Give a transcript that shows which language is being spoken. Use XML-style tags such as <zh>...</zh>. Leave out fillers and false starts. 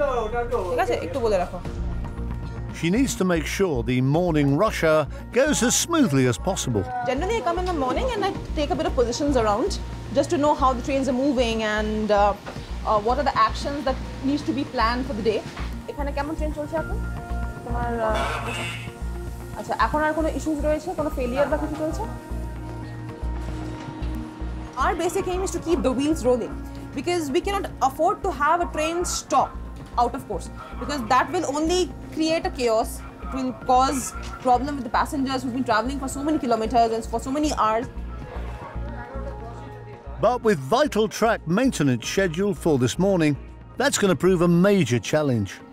<en>Okay, let me tell you. She needs to make sure the morning rush hour goes as smoothly as possible. Generally, I come in the morning and I take a bit of positions around just to know how the trains are moving and what are the actions that needs to be planned for the day.</en> <bn>এখানে কেমন train চলছে এখন তোমার আচ্ছা এখন আর কোনো issues রয়েছে কোনো ফেলিয়ার বা কিছু চলছে</bn> <en>আর basic aim is to keep the wheels rolling because we can't afford to have a train stop out of course because that will only create a chaos will cause problem with the passengers who've been traveling for so many kilometers and for so many hours. But with vital track maintenance scheduled for this morning, that's going to prove a major challenge.</en>